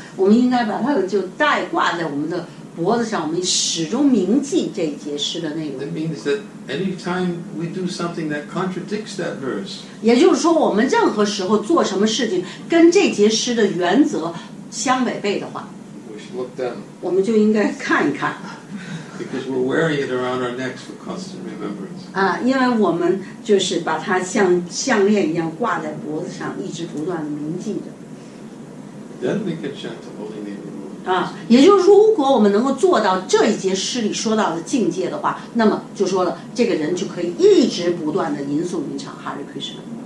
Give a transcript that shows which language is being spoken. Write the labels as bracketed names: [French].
[Chinese] 我们应该把它就带挂在我们的脖子上，我们始终铭记这一节诗的内容。 [English] That means that any time we do something that contradicts that verse. [Chinese] 也就是说，我们任何时候做什么事情跟这节诗的原则相违背的话， [English] we should look down. [Chinese] 我们就应该看一看。 [English] Because we're wearing it around our necks for constant remembrance. [Chinese] 因为我们就是把它像项链一样挂在脖子上，一直不断的铭记着。 [English] Then we can chant the holy name. [Chinese] 也就是如果我们能够做到这一节诗里说到的境界的话，那么就说了，这个人就可以一直不断的吟诵吟唱 Hare Krishna.